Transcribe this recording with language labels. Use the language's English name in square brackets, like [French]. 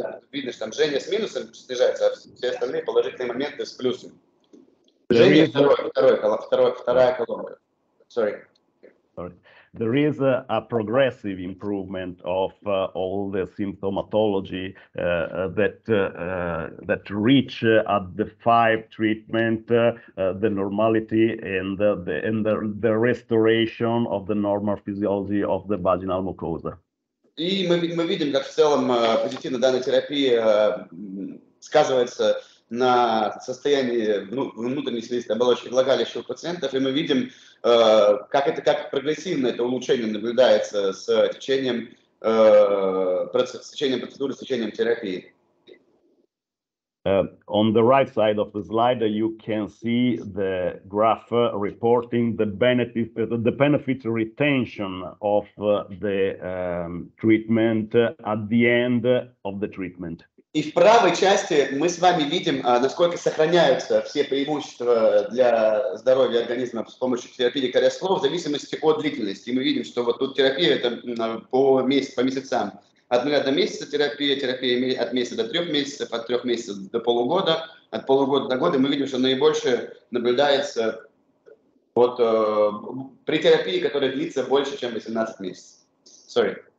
[Russian] Видно, что там жжение с минусом снижается, а все остальные положительные моменты с плюсом. Жжение вторая колонка. [English] Sorry. There is a progressive improvement of all the symptomatology that reach at the 5 treatment the normality and the restoration of the normal physiology of the vaginal mucosa. [Russian] И мы видим, как в целом позитивно данная терапия сказывается на состоянии внутренней слизистой оболочки влагалища у пациентов, и мы видим, как прогрессивно это улучшение наблюдается с течением, течением процедуры, с течением терапии. [English] On the right side of the slide, you can see the graph reporting the benefit retention of the treatment at the end of the treatment. [Russian] И в правой части мы с вами видим, насколько сохраняются все преимущества для здоровья организма с помощью терапии CRS-Flow в зависимости от длительности. И мы видим, что вот тут терапия это по месяцам. От 0 до месяца терапия от месяца до 3 месяцев, от 3 месяцев до полугода, от полугода до года. И мы видим, что наибольшее наблюдается вот, при терапии, которая длится больше, чем 18 месяцев. [English] Sorry.